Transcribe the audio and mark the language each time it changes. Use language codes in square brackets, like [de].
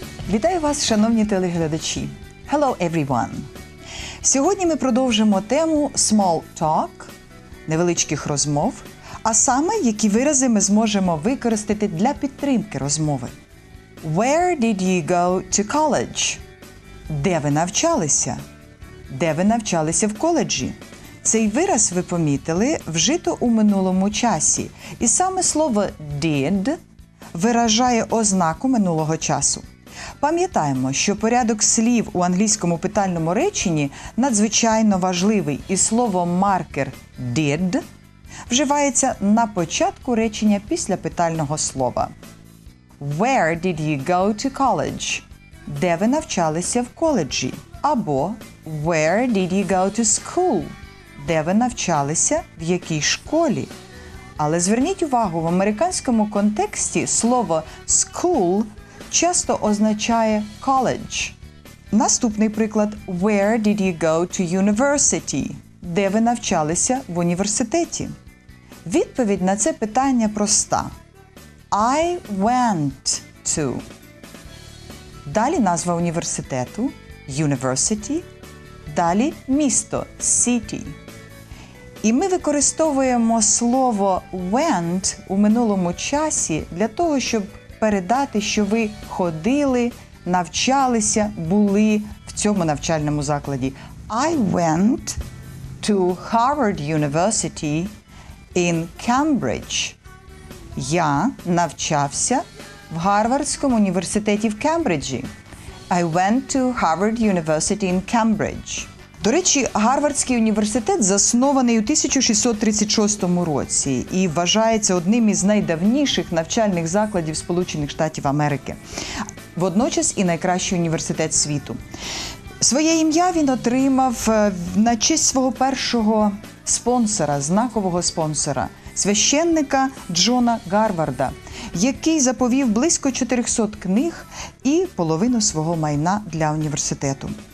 [uk] Вітаю вас, шановні телеглядачі. [en] Hello, everyone. [uk] Сьогодні ми продовжимо тему small talk, невеличких розмов, а саме, які вирази ми зможемо використати для підтримки розмови. [en] Where did you go to college? [uk] Де ви навчалися? Де ви навчалися в коледжі? Цей вираз, ви помітили, вжито у минулому часі. І саме слово did виражає ознаку минулого часу. Пам'ятаємо, що порядок слів у англійському питальному реченні надзвичайно важливий, і слово маркер did вживається на початку речення після питального слова. [en] Where did you go to college? [uk] Де ви навчалися в коледжі? [en] Або where did you go to school? [uk] Де ви навчалися, в якій школі? Але зверніть увагу, в американському контексті слово school часто означає college. Наступний приклад. [en] Where did you go to university? [uk] Де ви навчалися в університеті? Відповідь на це питання проста. [en] I went to. [uk] Далі назва університету – university. Далі місто – city. І ми використовуємо слово went у минулому часі для того, щоб передати, що ви ходили, навчалися, були в цьому навчальному закладі. [en] I went to Harvard University in Cambridge. [uk] Я навчався в Гарвардському університеті в Кембриджі. [en] I went to Harvard University in Cambridge. [uk] До речі, Гарвардський університет заснований у 1636 році і вважається одним із найдавніших навчальних закладів Сполучених Штатів Америки. Водночас і найкращий університет світу. Своє ім'я він отримав на честь свого першого спонсора, знакового спонсора, священника Джона Гарварда, який заповів близько 400 книг і половину свого майна для університету.